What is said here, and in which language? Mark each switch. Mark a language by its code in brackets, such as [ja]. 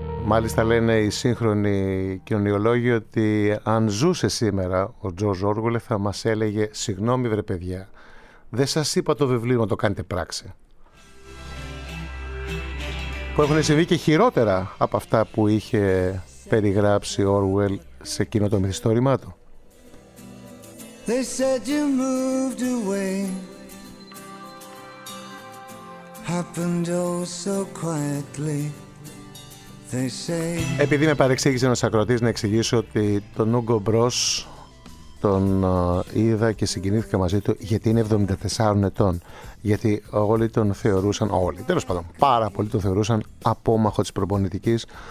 [el] Μάλιστα λένε οι σύγχρονοι κοινωνιολόγοι ότι αν ζούσε σήμερα ο Τζορτζ Όργουελ θα μας έλεγε «Συγγνώμη βρε παιδιά, δεν σας είπα το βιβλίο να το κάνετε πράξη». Που έχουν συμβεί και χειρότερα από αυτά που είχε περιγράψει ο Όργουελ σε εκείνο το μυθιστόρημά του. [en] They said you moved away. Happened all so quietly. [el] Επειδή με παρεξήγησε ένας ακροατής, να εξηγήσω ότι τον Ούγκο Μπρος τον είδα και συγκινήθηκα μαζί του, γιατί είναι 74 ετών. Γιατί όλοι τον θεωρούσαν, όλοι, τέλος πάντων, πάρα πολλοί τον θεωρούσαν απόμαχο της προπονητικής.